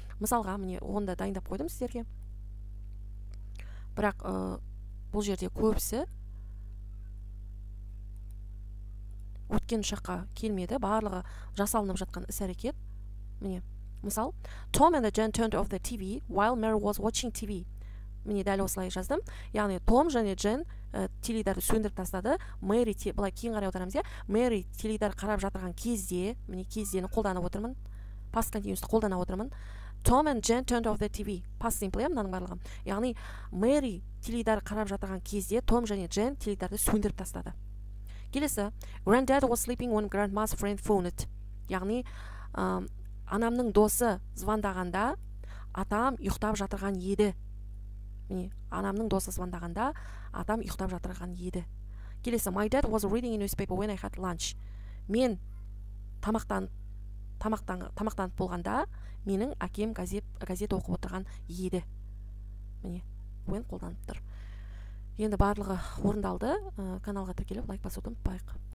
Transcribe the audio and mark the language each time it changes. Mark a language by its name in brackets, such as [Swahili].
[Kazakh] Мысалға, міне, оны да дайындап қойдым сіздерге. Бірақ, бұл жерде көпсі өткен шаққа келмеді, барлығы жасалынып жатқан іс-әрекет. Міне, мысал, [English] Tom and Jen turned off the TV while Mary was watching TV. [Kazakh] Міне, дәл осылай жаздым. Яғни, Том және Джен теледарды сөндіріп тастады. Мэри, бұлай кейін қарай отырамыз, е? Мэри теледар қарап жатырған кезде, міне, кездені қолданып отырмын. Past continuous-ті қолданып отырмын. [English] Tom and Jen turned off the TV. [Kazakh] Past simple, мынаның барлығы. Яғни, Мэри теледар қарап жатырған кезде, Том және Джен теледарды сөндіріп тастады. [English] Келесі, Granddad was sleeping when Grandma's friend phoned. [Kazakh] Яғни, анамның досы звондағанда, атам ұйықтап жатырған еді. Міне, анамның досы звондағанда атам ұйықтап жатырған еді. [English] Келесі, my dad was reading a newspaper when I had lunch. [Kazakh] Мен тамақтанып болғанда менің әкем газет оқып отырған еді. Міне, when қолданып тұр. Енді барлығы орындалды. Каналға тіркеліп лайк басуды ұмытпайық.